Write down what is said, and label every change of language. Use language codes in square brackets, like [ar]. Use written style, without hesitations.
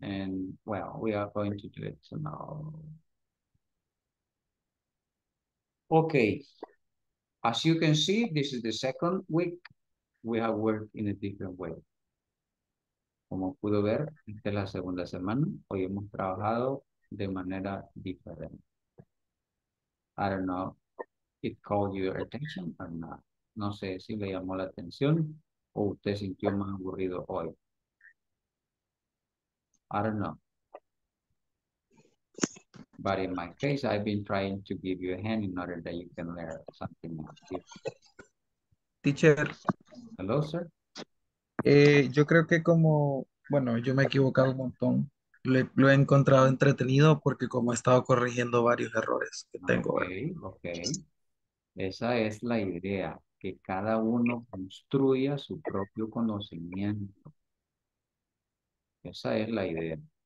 [en] And well, we are going to do it now. Okay. As you can see, this is the second week we have worked in a different way. [es] Como pudo ver, esta es la segunda semana. Hoy hemos trabajado de manera diferente. [en] I don't know if it called your attention or not. [es] No sé si le llamó la atención o usted sintió más aburrido hoy. [en] I don't know. But in my case, I've been trying to give you a hand in order that you can learn something more. Teacher. Hello, sir. [es] Yo creo que como, bueno, yo me he equivocado un montón. Lo he encontrado entretenido porque como he estado corrigiendo varios errores que tengo. Ok. Esa es la idea, que cada uno construya su propio conocimiento. Esa es la idea.